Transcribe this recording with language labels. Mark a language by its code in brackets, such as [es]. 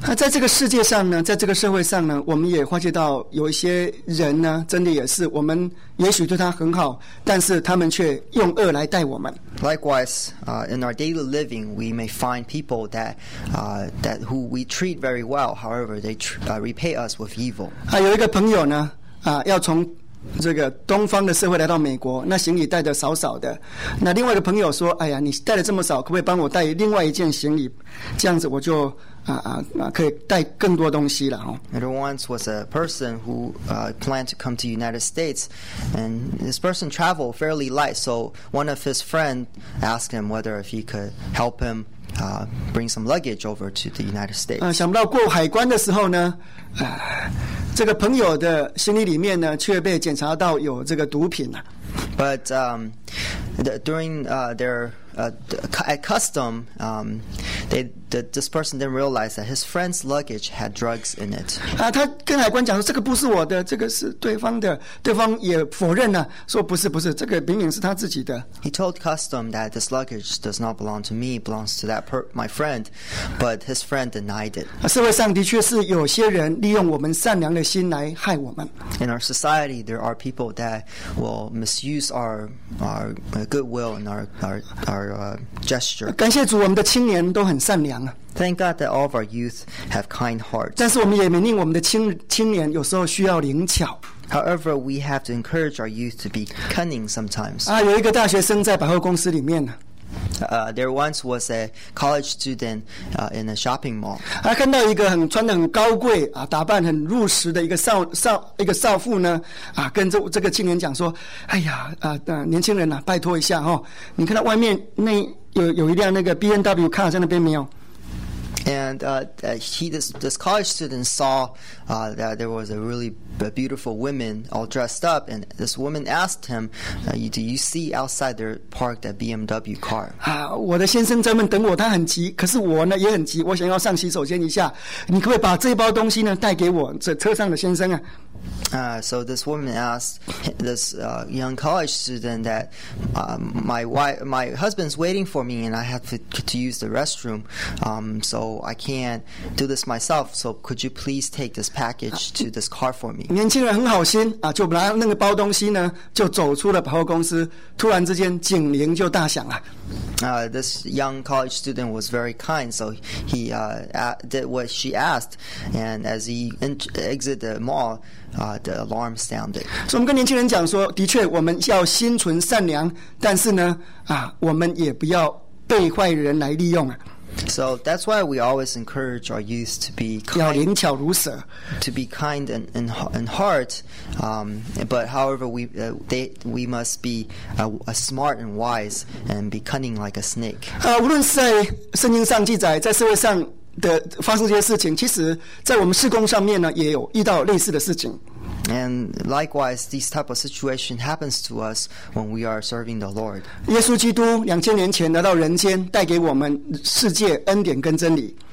[zh] 在这个世界上呢，在这个社会上呢，我们也发现到有一些人呢，真的也是我们也许对他很好，但是他们却用恶来待我们。 [en] Likewise, in our daily living, we may find people that who we treat very well, however, they repay us with evil. [zh] 有一个朋友呢，要从这个东方的社会来到美国，那行李带的少少的。那另外一个朋友说：“哎呀，你带的这么少，可不可以帮我带另外一件行李？这样子我就可以带更多东西了。” 哦。 [en] There once was a person who planned to come to United States, and this person traveled fairly light. So one of his friends asked him whether if he could help him bring some luggage over to the United States. [zh] 想不到过海关的时候呢，这个朋友的行李里面呢，却被检查到有这个毒品了。 [en] But during their at custom, this person didn't realize that his friend's luggage had drugs in it. [zh] 他跟海关讲说这个不是我的，这个是对方的。对方也否认了，说不是，这个明明是他自己的。 [en] He told custom that this luggage does not belong to me, belongs to my friend, but his friend denied it. [zh] 社会上的确是有些人利用我们善良的心来害我们。 [en] In our society, there are people that will misuse our goodwill and our gesture. [zh] 感谢主，我们的青年都很善良。 [en] Thank God that all of our youth have kind hearts. [zh] 但是我们也命令我们的青年有时候需要灵巧。 [en] However, we have to encourage our youth to be cunning sometimes. [zh] 有一个大学生在百货公司里面。 [en] There once was a college student in a shopping mall. [zh] 看到一个很穿得很高贵打扮很入时的一个少妇呢跟这个青年讲说，哎呀年轻人拜托一下哦，你看到外面那有一辆那个 BMW car 在那边没有？ [en] And this college student saw that there was a really beautiful woman all dressed up, and this woman asked him, "Do you see outside there parked a BMW car?" [zh] 我的先生在那边等我，他很急，可是我呢也很急，我想要上洗手间一下，你可不可以把这包东西呢带给我这车上的先生啊？ [en] So this woman asked this young college student that my husband's waiting for me and I have to use the restroom, so I can't do this myself. So could you please take this package to this car for me? [zh] 年轻人很好心就拿那个包东西呢，就走出了百货公司。突然之间，警铃就大响了。 [en] This young college student was very kind, so he did what she asked, and as he exited the mall, the alarm sounded. [zh] So 我们跟年轻人讲说，的确我们要心存善良，但是呢，我们也不要被坏人来利用。 [en] So that's why we always encourage our youth to be kind, [zh] 要灵巧如蛇, [en] to be kind and hard. But however, we must be smart and wise and be cunning like a snake. [zh] 无论是在圣经上记载，在社会上的发生这些事情，其实在我们事工上面呢，也有遇到类似的事情。 [en] And likewise, these type of situation happens to us when we are serving the Lord. [zh] 耶稣基督2000年前来到人间，带给我们世界恩典跟真理。